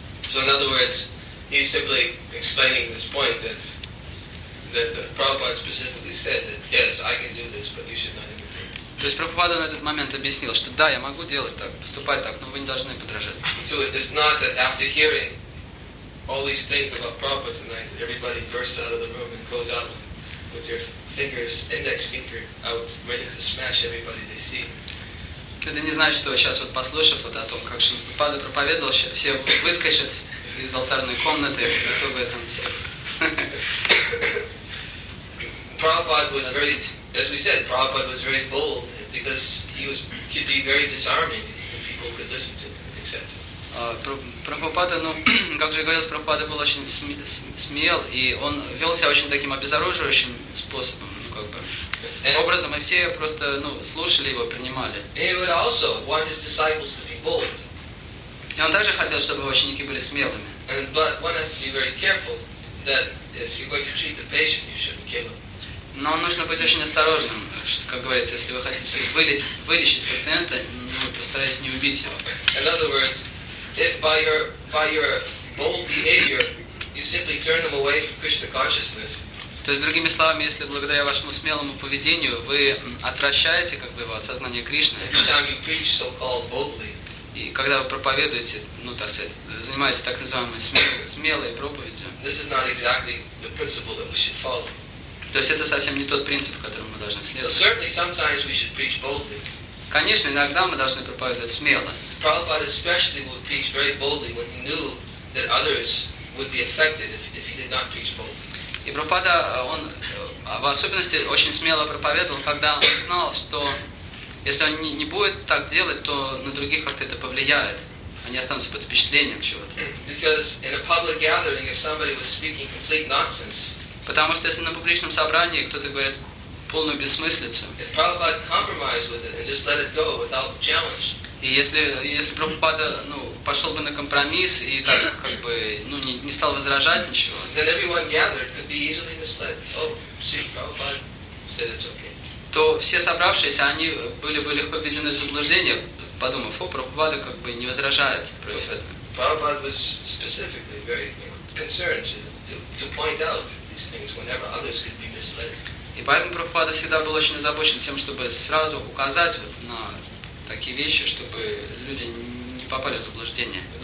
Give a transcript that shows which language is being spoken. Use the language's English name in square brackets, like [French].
[English] So in other words, he's simply explaining this point that Prabhupada specifically said that yes, I can do this, but you should not interfere. [Russian] То есть Прабхупада на этот момент объяснил, что да, я могу делать так, поступать так, но вы не должны подражать. [English] So it is not that after hearing all these things about Prabhupada tonight, that everybody bursts out of the room and goes out with your fingers, index finger out, ready to smash everybody they see. [Russian] Это не значит, что сейчас вот послушав вот о том, как Шрила проповедовал, все выскочат из алтарной комнаты, готовы там все. [English] Prabhupada was very, as we said, Prabhupada was very bold because he was could be very disarming if people could listen to him, accept him. [Russian] Прабхупада, ну, как же говорилось, Прабхупада был очень смел, и он вел себя очень таким обезоруживающим способом, ну, как бы, образом, и все просто, ну, слушали его, принимали. И он также хотел, чтобы его ученики были смелыми. Но нужно быть очень осторожным, что, как говорится, если вы хотите вылечить пациента, ну, постарайтесь не убить его. [English] If by your bold behavior you simply turn them away from Krishna consciousness. [Russian] То есть другими словами, если благодаря вашему смелому поведению вы отвращаете как бы его от сознания Кришны. [English] Every time you preach so-called boldly. [Russian] И когда вы проповедуете, ну так сказать, занимаетесь так называемой смелой проповедью. [English] This is not exactly the principle that we should follow. [Russian] То есть это совсем не тот принцип, которому мы должны следовать. [English] So certainly sometimes we should preach boldly. [Russian] Конечно, иногда мы должны проповедовать смело. [English] Prabhupada especially would preach very boldly when he knew that others would be affected if he did not preach boldly. [Russian] И Прабхупада, он в особенности очень смело проповедовал, когда он знал, что если он не будет так делать, то на других как-то это повлияет. Они останутся под впечатлением чего-то. [English] Because in a public gathering, if somebody was speaking complete nonsense. [Russian] Потому что если на публичном собрании кто-то говорит полную бессмыслицу. [English] If Prabhupada compromised with it and just let it go without challenge. [Russian] И если Прабхупада, ну, пошел бы на компромисс и так, как бы, ну, не стал возражать ничего. [English] Then everyone gathered could be easily misled. Oh, see, Prabhupada said it's okay. [Russian] То все собравшиеся, они были бы легко введены в заблуждение, подумав, о, Прабхупада как бы не возражает против этого. [English] Prabhupada was specifically very, you know, concerned to point out these things whenever others could be misled. [Russian] И поэтому Прабхупада всегда был очень озабочен тем, чтобы сразу указать вот на такие вещи, чтобы люди не попали в заблуждение.